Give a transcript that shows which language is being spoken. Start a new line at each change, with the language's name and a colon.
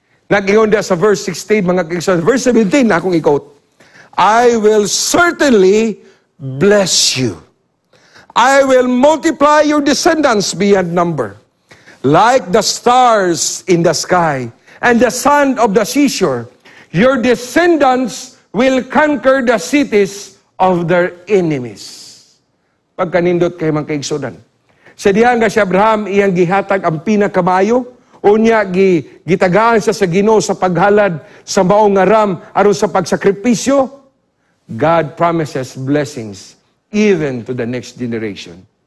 Cebuano: Nag-ingon da sa verse 16, mga kaigsunan, verse 17 na akong ikot,
English: I will certainly bless you. I will multiply your descendants beyond number, like the stars in the sky and the sand of the seashore. Your descendants will conquer the cities of their enemies.
Cebuano: Pagkanindot kay mga kaigsunan, sa diha nga si Abraham iyang gihatag ang pinakamayo, unya gitagaan siya sa Ginoo sa paghalad sa maong aram aron sa pagsakripisyo.
English: God promises blessings even to the next generation.